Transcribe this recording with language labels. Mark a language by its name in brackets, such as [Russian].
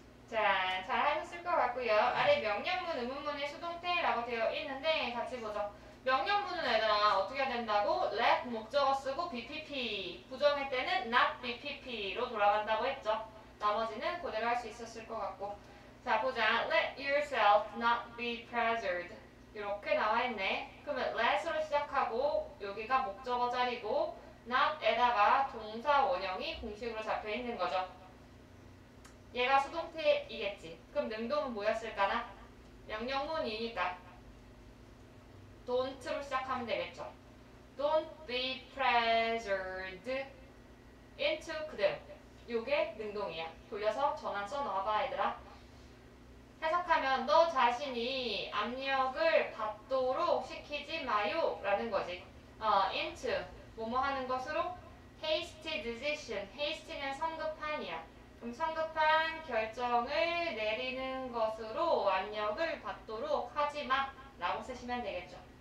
[Korean] 자, 잘하셨을 것 같고요. 아래 명령문, 의문문의 수동태라고 되어 있는데 같이 보죠. 명령문은 얘들아 어떻게 해야 된다고? Let 목적어 쓰고 BPP. 부정할 때는 Not BPP로 돌아간다고 했죠. 나머지는 그대로 할수 있었을 것 같고. 자, 보자. [English] Let yourself not be pressured. [Korean] 이렇게 나와 있네. 그러면 let으로 시작하고 여기가 목적어 자리고 not에다가 동사 원형이 공식으로 잡혀 있는 거죠. 얘가 수동태이겠지. 그럼 능동은 뭐였을까나? 명령문이니까 don't로 시작하면 되겠죠. [English] Don't be pressured into [Korean] 그대로. 이게 능동이야. 돌려서 전환 써 놔봐, 얘들아. 해석하면 너 자신이 압력을 받도록 시키지 마요라는 거지. into 뭐뭐 하는 것으로 [English] hasty decision. [Korean] hasty는 성급한이야. 그럼 성급한 결정을 내리는 것으로 압력을 받도록 하지 마라고 쓰시면 되겠죠.